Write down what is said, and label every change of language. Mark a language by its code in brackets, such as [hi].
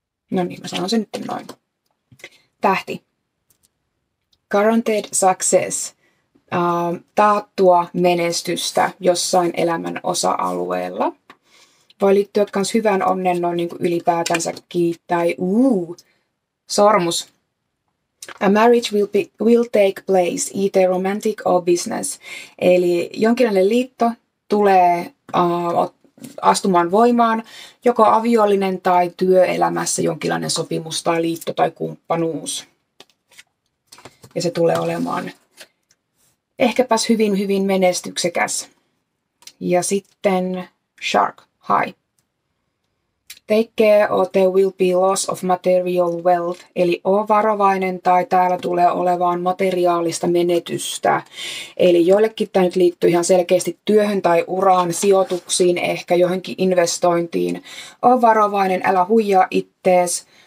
[fi] No niin, mä sanoisin nyt noin. Tähti, [en] guaranteed success. [fi] Taattua menestystä jossain elämän osa-alueella. Voi liittyä myös hyvän onnen noin niin kuin ylipäätänsäkin. Tai sormus. [en] A marriage will take place, either romantic or business. [fi] Eli jonkinlainen liitto tulee astumaan voimaan, joko aviollinen tai työelämässä jonkinlainen sopimus tai liitto tai kumppanuus. Ja se tulee olemaan... ehkäpäs hyvin, hyvin menestyksekäs. Ja sitten shark, hi. [en] Take care or there will be loss of material wealth. [fi] Eli oo varovainen tai täällä tulee olemaan materiaalista menetystä. Eli joillekin tämä nyt liittyy ihan selkeästi työhön tai uraan, sijoituksiin, ehkä johonkin investointiin. Oo varovainen, älä huijaa ittees.